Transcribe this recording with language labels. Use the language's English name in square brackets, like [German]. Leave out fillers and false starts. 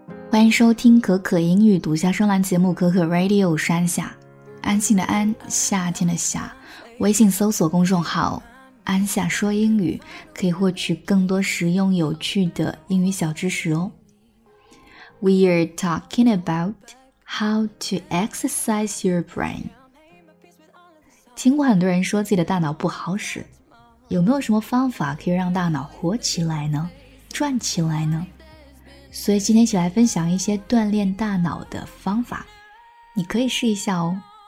[Chinese] 欢迎收听可可英语独家专栏节目可可 Radio 山下，安静的安，夏天的夏。微信搜索公众号安夏说英语，可以获取更多实用有趣的英语小知识哦。 [English] We are talking about how to exercise your brain。 [Chinese] 听过很多人说自己的大脑不好使，有没有什么方法可以让大脑活起来呢，转起来呢？所以今天一起来分享一些锻炼大脑的方法，你可以试一下哦。